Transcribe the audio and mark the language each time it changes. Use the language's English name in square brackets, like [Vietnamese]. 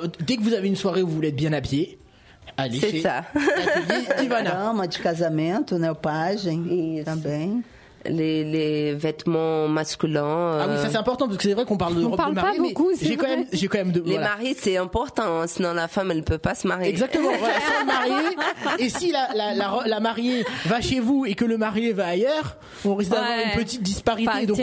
[French] Dès que vous avez une soirée où vous voulez être bien habillé, allez c'est chez l'atelier Ivana. [Portuguese] Dama de casamento, né, pagem, isso. Também. [French] Les vêtements masculins. Ah oui, ça c'est important parce que c'est vrai qu'on parle de robe de mariée. On parle pas beaucoup, c'est vrai. J'ai quand même de. Les maris, c'est important, sinon la femme elle peut pas se marier. Exactement, voilà, sans le marié. Et si la mariée va chez vous et que le marié va ailleurs, on risque d'avoir une petite disparité. Partez.